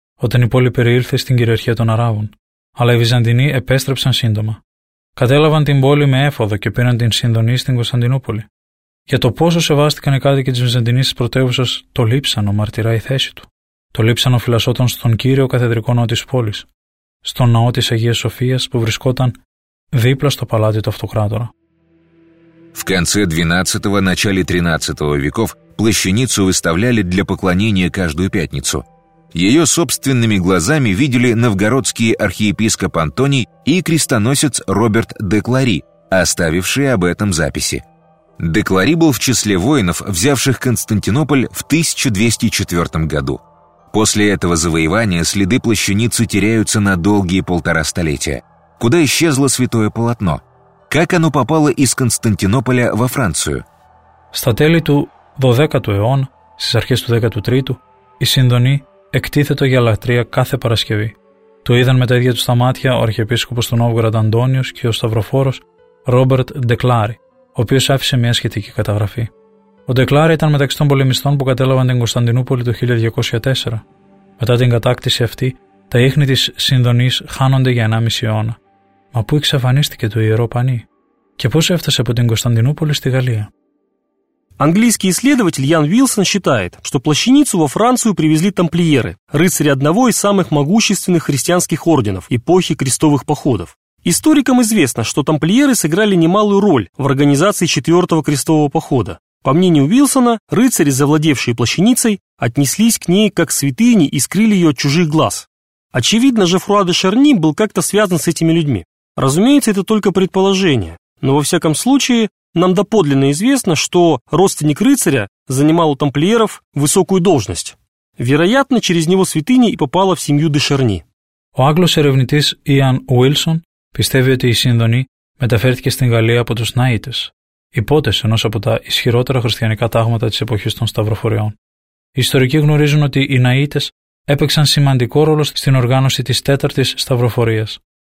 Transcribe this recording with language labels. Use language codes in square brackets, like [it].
[el] Όταν η πόλη περιήλθε στην κυριαρχία των Αράβων. Αλλά οι Βυζαντινοί επέστρεψαν σύντομα. Κατέλαβαν την πόλη με έφοδο και πήραν την Συνδονή στην Κωνσταντινούπολη. Για το πόσο σεβάστηκαν οι κάτοικοι της Βυζαντινής πρωτεύουσας, το λείψανο μαρτυρά η θέση του. Το λείψανο φυλασσόταν στον κύριο καθεδρικό ναό της πόλης, στον ναό της Αγίας Σοφίας που βρισκόταν δίπλα στο παλάτι του Αυτοκράτορα. [ru] В конце XII – начале XIII веков плащаницу выставляли для поклонения каждую пятницу. Ее собственными глазами видели новгородский архиепископ Антоний и крестоносец Роберт де Клари, оставившие об этом записи. Де Клари был в числе воинов, взявших Константинополь в 1204 году. После этого завоевания следы плащаницы теряются на долгие полтора столетия. Куда исчезло святое полотно? Как оно попало из Константинополя во Францию? [el] Στα τέλη του 12ου αιώνα, στις αρχές του 13ου, η Συνδονή εκτίθεται για λατρεία κάθε Παρασκευή. Το είδαν με τα ίδια τους τα μάτια ο αρχιεπίσκοπος του Νόβγοραντ Αντώνιος και ο σταυροφόρος Ρόμπερτ Ντε Κλάρι, ο οποίος άφησε μια σχετική καταγραφή. Ο Ντε Κλάρι ήταν μεταξύ των πολεμιστών που κατέλαβαν την Κωνσταντινούπολη το 1204. Μετά την κατάκτηση αυτή, τα ίχνη της Συνδονής χάνονται για 1,5 αιώνα. Μα πού εξαφανίστηκε το Ιερό Πανί και πώς έφτασε από την Κωνσταντινούπολη στη Γαλλία? [ru] Английский исследователь Ян Вилсон считает, что плащаницу во Францию привезли тамплиеры, рыцари одного из самых могущественных христианских орденов эпохи крестовых походов. Историкам известно, что тамплиеры сыграли немалую роль в организации Четвертого крестового похода. По мнению Вилсона, рыцари, завладевшие плащаницей, отнеслись к ней как к святыне и скрыли ее от чужих глаз. Очевидно, Жефруа де Шарни был как-то связан с этими людьми. Разумеется, это только предположение, но во всяком случае, нам доподлинно известно, что родственник рыцаря занимал у тамплиеров высокую должность. Вероятно, через него святыня и попала в семью де Шарни. [el] Ο Άγγλος ερευνητής Ιαν Βίλσον πιστεύει ότι η Σύνδονη μεταφέρθηκε στην Γαλλία από τους Ναΐτες, υπότες ενός από τα ισχυρότερα χριστιανικά τάγματα της εποχής των Σταυροφοριών. Οι ιστορικοί γνωρίζουν ότι οι Ναΐτες έπαιξαν σημαντικό ρόλο στην οργάνωση της τέταρτης Σταυροφορίας.